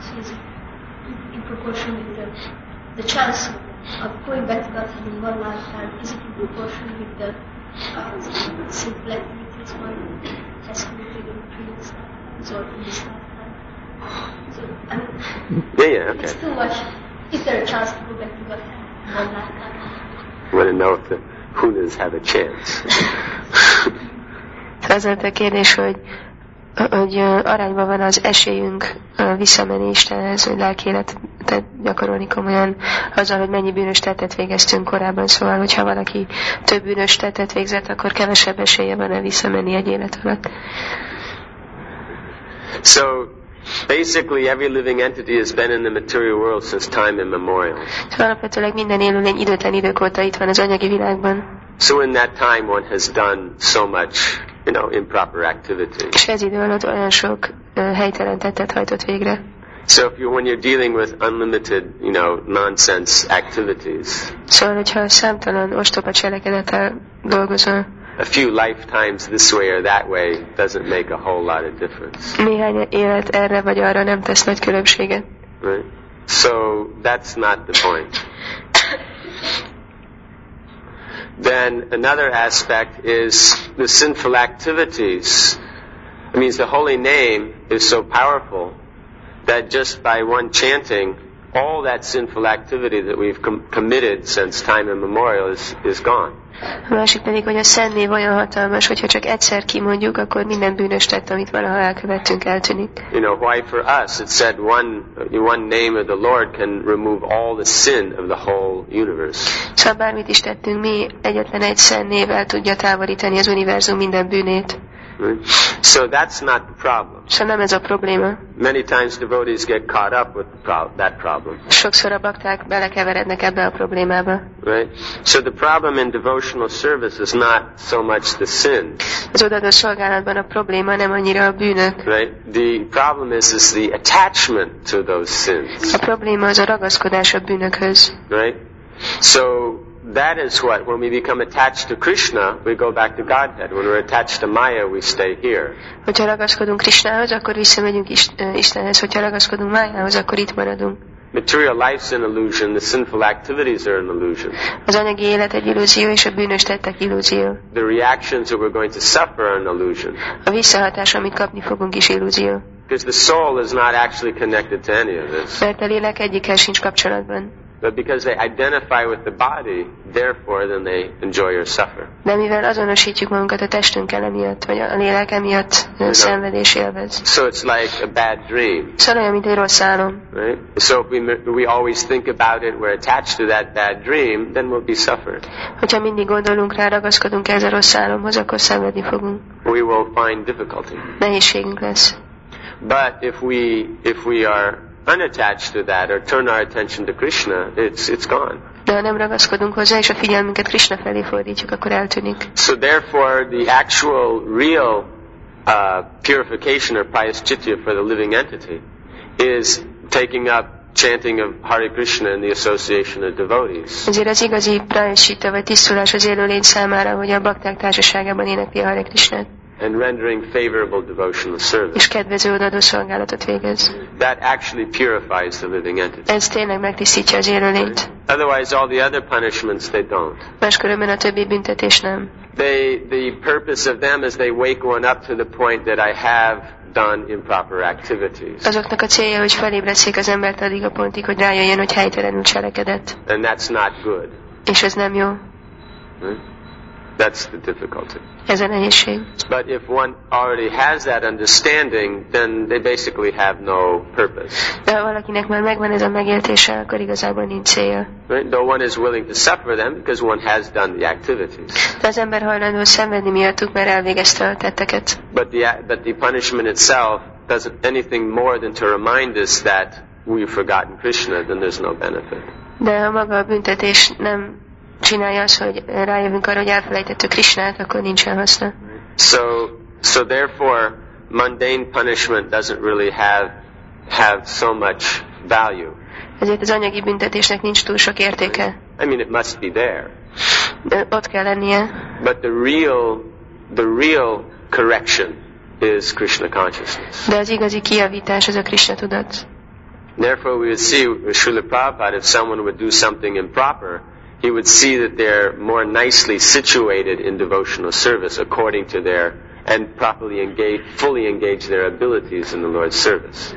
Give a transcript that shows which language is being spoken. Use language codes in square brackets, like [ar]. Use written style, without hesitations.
[en] So is it in proportion with the chance of going back to God in one lifetime, is it in proportion with the same black beads as one has completed in previous lives or in this lifetime? Okay. It's too much. Is there a chance to go back to God? I want to know if the Hunas have a chance. [hu] Ez volt a kérdés, hogy arányban van az esélyünk visszamenni Istenhez, hogy lelki életet gyakorolni komolyan azzal, hogy mennyi bűnös tettet végeztünk korábban. Szóval, hogyha valaki több bűnös tettet végzett, akkor kevesebb esélye van-e visszamenni egy élet alatt. [en] So, basically, every living entity has been in the material world since time immemorial. [hu] Alapvetőleg minden élőlény időtlen idők óta itt van az anyagi világban. [en] So in that time, one has done so much, you know, improper activity. [hu] És ez idő alatt olyan sok helytelen tettet hajtott végre. [en] So if you, when you're dealing with unlimited, you know, nonsense activities. [hu] Szóval, hogyha számtalan ostoba cselekedettel dolgozol. [en] A few lifetimes this way or that way doesn't make a whole lot of difference. [hu] Néhány élet erre vagy arra nem tesz nagy különbséget. [en] Right. So that's not the point. Then another aspect is the sinful activities. It means the holy name is so powerful that just by one chanting, all that sinful activity that we've committed since time immemorial is gone. [hu] A másik pedig, hogy a szent név olyan hatalmas, hogyha csak egyszer kimondjuk, akkor minden bűnös tett, amit valaha elkövettünk, eltűnik. [en] You know, why for us it said one name of the Lord can remove all the sin of the whole universe. [hu] Szóval bármit is tettünk, mi egyetlen egy szent név el tudja távolítani az univerzum minden bűnét. [en] So that's not the problem. [hu] Și nem ez a probléma. [en] Many times devotees get caught up with that problem. [hu] Sokszor a bakták belekeverednek ebbe a problémába. [en] Right? So the problem in devotional service is not so much the sin. [hu] Az odaadó szolgálatban a probléma nem annyira a bűnök. [en] Right? The problem is the attachment to those sins. [hu] A probléma az a ragaszkodás a bűnökhöz. [en] Right? So that is what, when we become attached to Krishna, we go back to Godhead. When we're attached to Maya, we stay here. [hu] Hogyha ragaszkodunk Krishnához, akkor visszamegyünk Istenhez. Hogyha ragaszkodunk Mayához, akkor itt maradunk. [en] Material life's an illusion. The sinful activities are an illusion. [hu] Az anyagi élet egy illúzió, és a bűnös tettek illúzió. [en] The reactions that we're going to suffer are an illusion. [hu] A visszahatás, amit kapni fogunk, is illúzió. [en] Because the soul is not actually connected to any of this. [hu] Mert a lélek egyikkel sincs kapcsolatban. [en] But because they identify with the body, therefore, then they enjoy or suffer. [hu] De mivel azonosítjuk magunkat a testünkkel emiatt, vagy a lélek emiatt, szenvedés élvez. [en] So it's like a bad dream. [hu] Szóval olyan, mint egy rossz álom. [en] Right? So if we always think about it, we're attached to that bad dream, then we'll be suffered. [hu] Hogyha mindig gondolunk rá, ragaszkodunk ez a rossz álomhoz, akkor szenvedni fogunk. [en] We will find difficulty. [hu] Nehézségünk lesz. [en] But if we are unattached to that or turn our attention to Krishna, it's gone. [hu] De ha nem ragaszkodunk hozzá, és a figyelmünket Krishna felé fordítjuk, akkor eltűnik. [en] So therefore the actual real purification or pious chitta for the living entity is taking up chanting of Hare Krishna in the association of devotees. [hu] Ezért az igazi pious chitta vagy tisztulás az élőlény számára, hogy a bakták társaságában énekli a Hare Krishnát. [en] And rendering favorable devotional service. [hu] És kedvező odaadó szolgálatot végez. [en] That actually purifies the living entity. [hu] Ez tényleg megtisztítja az élőlényt. [en] Otherwise, all the other punishments they don't. [hu] Máskülönben a többi büntetés nem. [en] The purpose of them is they wake one up to the point that I have done improper activities. [hu] Azoknak a célja, hogy felébresszék az embert addig a pontig, hogy rájöjjön, hogy helytelenül cselekedett. [en] And that's not good. [hu] És ez nem jó. [en] That's the difficulty. [hu] Ez a nehézség. [en] But if one already has that understanding, then they basically have no purpose. [hu] De ha valakinek már megvan ez a megértése, akkor igazából nincs célja. [en] Right? Though one is willing to suffer them because one has done the activities. [hu] De az ember hajlandó szenvedni miattuk, mert elvégezte a tetteket. [en] But the punishment itself doesn't anything more than to remind us that we've forgotten Krishna, then there's no benefit. [hu] De ha maga a büntetés nem csinálja azt, hogy rájövünk arra, hogy elfelejtettük Krishnát, akkor nincsen haszna. [en] So therefore, mundane punishment doesn't really have so much value. [hu] Ezért az anyagi büntetésnek nincs túl sok értéke. [en] I mean, it must be there. [hu] De ott kell lennie. [en] But the real correction is Krishna consciousness. [hu] De az igazi kijavítás az a Krishna tudat. [en] Therefore, we would see Srila Prabhupada, if someone would do something improper, he would see that they're more nicely situated in devotional service according to their and properly engaged, fully engaged their abilities in the Lord's service.